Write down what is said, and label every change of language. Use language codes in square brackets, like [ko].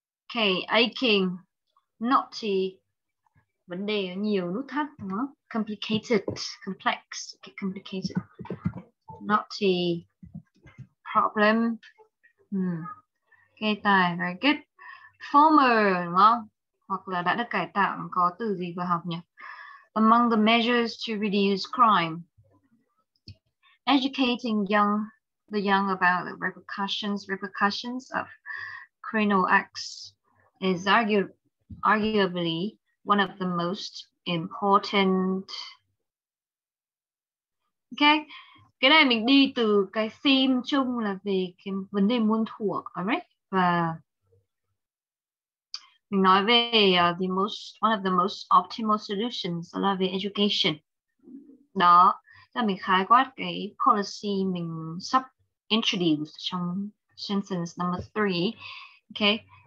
[en] Okay, aching, knotty, [vi] vấn đề nhiều nút thắt, đúng không? [en] Complicated, complex, okay, complicated, knotty, problem, [vi] gây tài, [en] very good, former, [vi] đúng không? Hoặc là đã được cải tạo, có từ gì vừa học nhỉ? [en] Among the measures to reduce crime, educating young, the young about the repercussions of criminal acts is arguably one of the most important. [vi] Okay, cái này mình đi từ cái theme chung là về cái vấn đề muôn thuở, alright? Và mình nói về [en] one of the most optimal solutions [vi] là về [en] education. [vi] Đó là mình khái quát cái policy mình sắp introduce trong [en] sentence number 3. [vi] Okay.